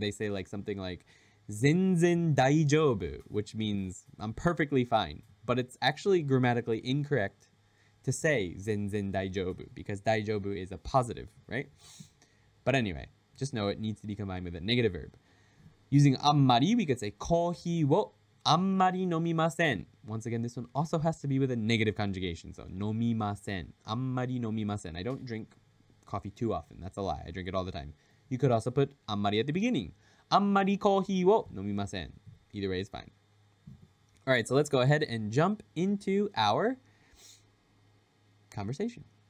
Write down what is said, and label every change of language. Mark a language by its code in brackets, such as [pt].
[en] They say like something like 全然大丈夫, which means I'm perfectly fine. But it's actually grammatically incorrect to say 全然大丈夫, because 大丈夫 is a positive, right? But anyway, just know it needs to be combined with a negative verb. Using あんまり, we could say [ja] コーヒーをあんまり飲みません. [en] Once again, this one also has to be with a negative conjugation. [ja] So 飲みません, あんまり飲みません. [en] I don't drink coffee too often. That's a lie. I drink it all the time. You could also put あんまり at the beginning. [ja] あんまりコーヒーを飲みません. [en] Either way is fine. All right, so let's go ahead and jump into our conversation.